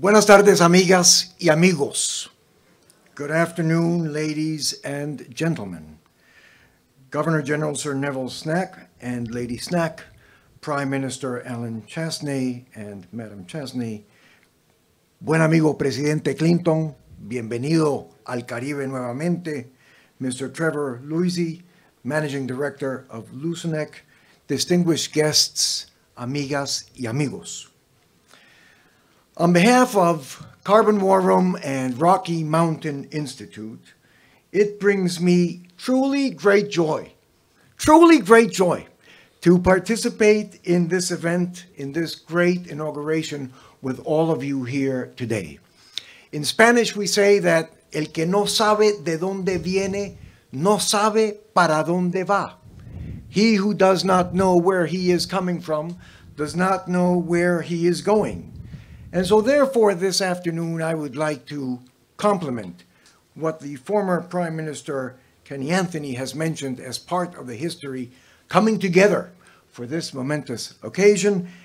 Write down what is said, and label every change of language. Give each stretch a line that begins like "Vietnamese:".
Spanish: Buenas tardes, amigas y amigos.
English: Good afternoon, ladies and gentlemen. Governor General Sir Neville Snack and Lady Snack, Prime Minister Alan Chesney and Madam Chesney.
Spanish: Buen amigo, Presidente Clinton. Bienvenido al Caribe nuevamente.
English: Mr. Trevor Luisi, Managing Director of LUCELEC. Distinguished guests,
Spanish: amigas y amigos.
English: On behalf of Carbon War Room and Rocky Mountain Institute, it brings me truly great joy to participate in this event, in this great inauguration with all of you here today. In Spanish, we say that
Spanish: el que no sabe de dónde viene, no sabe para dónde va.
English: He who does not know where he is coming from does not know where he is going. And so therefore, this afternoon, I would like to compliment what the former Prime Minister Kenny Anthony has mentioned as part of the history coming together for this momentous occasion.